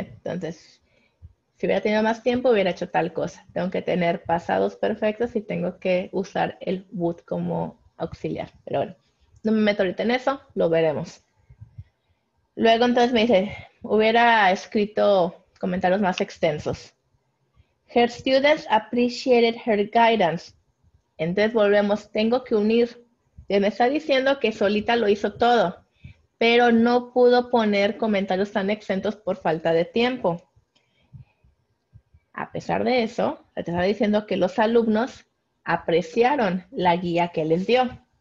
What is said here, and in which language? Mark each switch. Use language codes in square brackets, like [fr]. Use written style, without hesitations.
[es] Entonces, si hubiera tenido más tiempo, hubiera hecho tal cosa. Tengo que tener pasados perfectos y tengo que usar el would como auxiliar. Pero bueno, no me meto ahorita en eso, lo veremos. Luego entonces me dice, hubiera escrito comentarios más extensos. [en] Her students appreciated her guidance. [es] Entonces volvemos, tengo que unir. Me está diciendo que solita lo hizo todo, pero no pudo poner comentarios tan exentos por falta de tiempo. A pesar de eso, te está diciendo que los alumnos apreciaron la guía que les dio.